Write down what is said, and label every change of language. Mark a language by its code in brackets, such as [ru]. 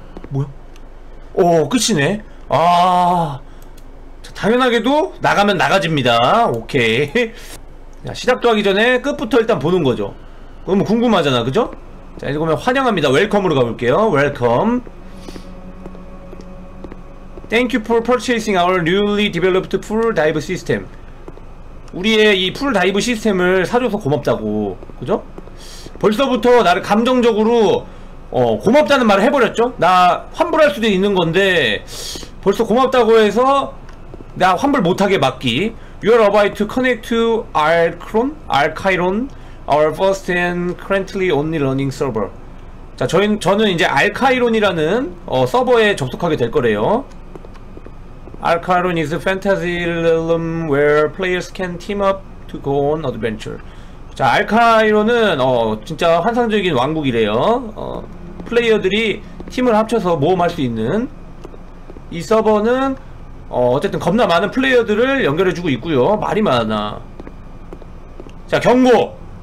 [ko] 뭐야? 오 끝이네. 아 자, 당연하게도 나가면 나가집니다. 오케이. 자 시작도 하기 전에 끝부터 일단 보는 거죠. 그럼 궁금하잖아, 그죠? 자 이제 보면 환영합니다. 웰컴으로 가볼게요. 웰컴. [en] Thank you for purchasing our newly developed full dive system. [ko] 우리의 이 풀 다이브 시스템을 사줘서 고맙다고. 그죠? 벌써부터 나를 감정적으로 고맙다는 말을 해버렸죠? 나 환불할 수도 있는 건데 벌써 고맙다고 해서 나 환불 못하게 맡기. [en] You are about to connect to Archron? Archiron? Our first and currently only running server. [ko] 자, 저는 이제 알카이론이라는 서버에 접속하게 될 거래요. [en] Archiron is a fantasy realm where players can team up to go on adventure. [ko] 자, 알카이론은 진짜 환상적인 왕국이래요. 플레이어들이 팀을 합쳐서 모험할 수 있는 이 서버는 어쨌든 겁나 많은 플레이어들을 연결해주고 있고요. 말이 많아. 자, 경고.